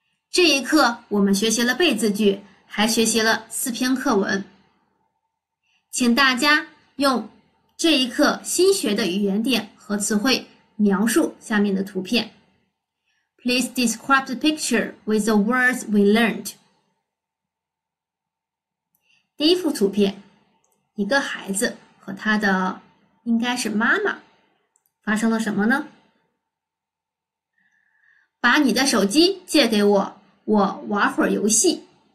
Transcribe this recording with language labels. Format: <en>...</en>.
<zh>这一课我们学习了背字句，还学习了四篇课文。请大家用这一课新学的语言点和词汇描述下面的图片。</zh> <en>Please describe the picture with the words we learned.</en> <zh>第一幅图片，一个孩子和他的应该是妈妈，发生了什么呢？把你的手机借给我，我玩会儿游戏。</zh>